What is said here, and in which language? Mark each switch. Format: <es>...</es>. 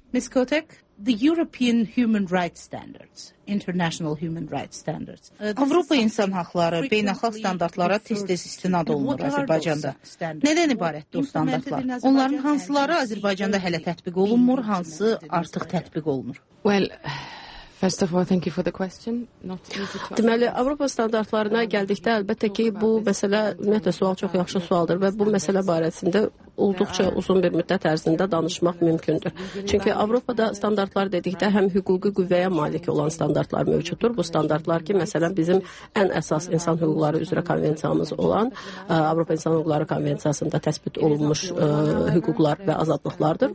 <en>Ms. Kotik, the European Human Rights Standards, International Human Rights Standards.</en> <az>Avropa insan haqları beynəlxalq standartlara tez-tez istinad olunur Azərbaycanda. Nədən ibarətdir o standartlar? Onların hansıları Azərbaycanda hələ tətbiq olunmur, hansı artıq tətbiq olunur?</az> <en>Well, first of all, thank you for the question.</en> <az>Deməli, Avropa standartlarına gəldikdə əlbəttə ki, bu məsələ, ümumiyyətlə, sual çox yaxşı sualdır və bu məsələ barəsində olduqca uzun bir müddət ərzində danışmaq mümkündür. Çünki Avropada standartlar dedikdə həm hüquqi qüvvəyə malik olan standartlar mövcuddur. Bu standartlar ki, məsələn, bizim ən əsas insan hüquqları üzrə konvensiyamız olan Avropa İnsan Hüquqları Konvensiyasında təsbit olunmuş hüquqlar və azadlıqlardır.</az>